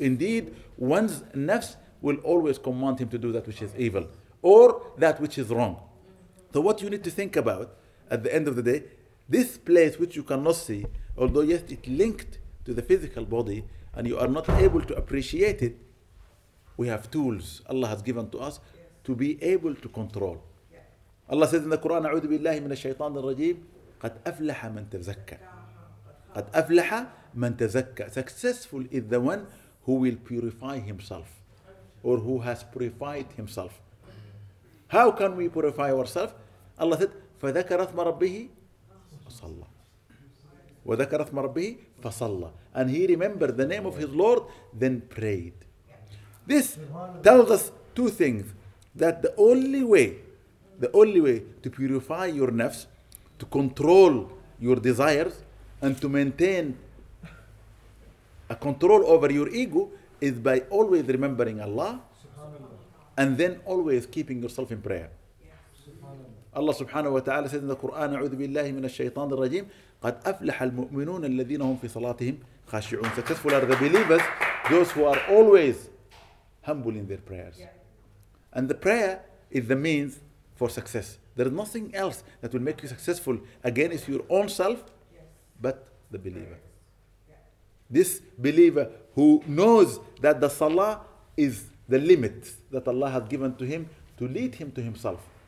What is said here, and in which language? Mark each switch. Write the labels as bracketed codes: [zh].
[en] Indeed, one's nafs will always command him to do that which is evil or that which is wrong. So what you need to think about at the end of the day, this place which you cannot see, although yes, it's linked to the physical body and you are not able to appreciate it, we have tools Allah has given to us to be able to control. Allah says in the Quran, [ar] أعوذ بالله من الشيطان الرجيم, قد أفلح من تزكى. قد أفلح من تزكى. [en] Successful is the one who will purify himself or who has purified himself. How can we purify ourselves? Allah said, [ar] فذكر اثم ربه فصلى. وذكر اثم ربه فصلى. [en] And he remembered the name of his Lord, then prayed. This tells us two things, that the only way to purify your nafs, to control your desires, and to maintain a control over your ego is by always remembering Allah and then always keeping yourself in prayer. Allah subhanahu wa ta'ala says in the Quran, [ar] أعوذ بالله من الشيطان الرجيم, قد أفلح المؤمنون الذين هم في صلاتهم خاشعون. [en] Successful are the believers, those who are always humble in their prayers. And the prayer is the means for success. There is nothing else that will make you successful. Again, it's your own self, but the believer. this believer who knows that the salah is the limit that Allah has given to him to lead him to himself.